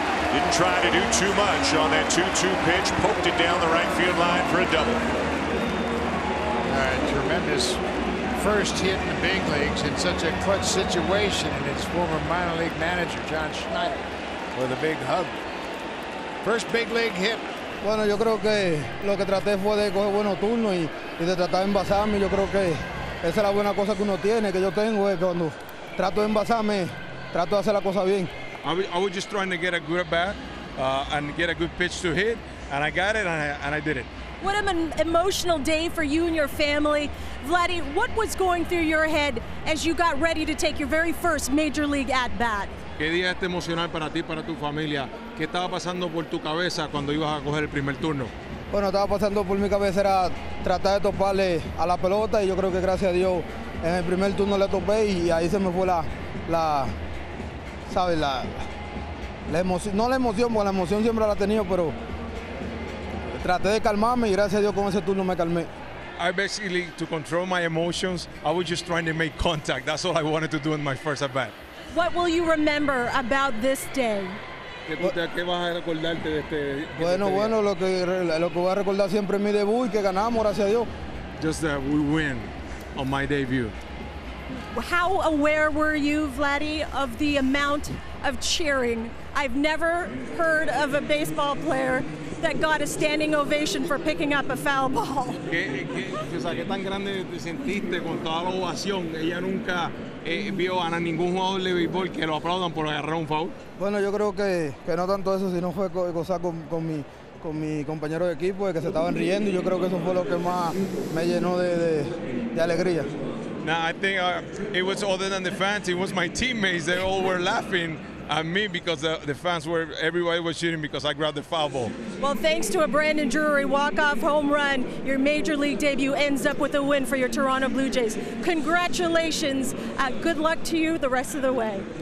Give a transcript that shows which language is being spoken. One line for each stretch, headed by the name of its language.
English: Didn't try to do too much on that 2-2 pitch. Poked it down the right field line for a double. Tremendous first hit in the big leagues in such a clutch situation. And his former minor league manager, John Schneider, with a big hug. First big league hit.
Spanish: Bueno, yo creo que lo que traté fue de coger buenos turnos y de tratar de envasarme. Yo creo que esa es la buena cosa que uno tiene, que yo tengo, es cuando trato de envasarme, trato de hacer la cosa bien.
English: I was just trying to get a good at bat and get a good pitch to hit, and I got it and I did it. What an emotional day for you and your family. Vladdy, what was going through your head as you got ready to take your very first major league at bat?
Spanish: ¿Qué día es emocional para ti, para tu familia? ¿Qué estaba pasando por tu cabeza cuando ibas a coger el primer turno? Bueno, estaba pasando por mi cabeza era tratar de toparle a la pelota y yo creo que gracias a Dios en el primer turno le topé y ahí se me fue la emoción, no la emoción, porque la emoción siempre la he tenido, pero traté de calmarme y gracias a Dios con ese turno me calmé.
English: I basically, to control my emotions, I was just trying to make contact. That's all I wanted to do in my first at-bat. What will you remember about this day?
Spanish: Bueno, lo que voy a recordar siempre es mi debut y que ganamos, gracias a Dios.
English: Just that we win on my debut. How aware were you, Vladdy, of the amount of cheering? I've never heard of a baseball player that got a standing ovation for picking up a foul ball.
Spanish: ¿Qué tan grande te sentiste con toda la ovación? Ella nunca vio a ningún jugador de béisbol que lo aplaudan por agarrar un foul. Bueno, yo creo que no tanto eso, sino fue gozar con mi compañero de equipo, que se estaban riendo, y yo creo que eso fue lo que más me llenó de alegría.
English: Now, I think it was other than the fans, it was my teammates, they all were laughing at me because the fans were, everybody was cheering because I grabbed the foul ball. Well, thanks to a Brandon Drury walk-off home run, your major league debut ends up with a win for your Toronto Blue Jays. Congratulations. Good luck to you the rest of the way.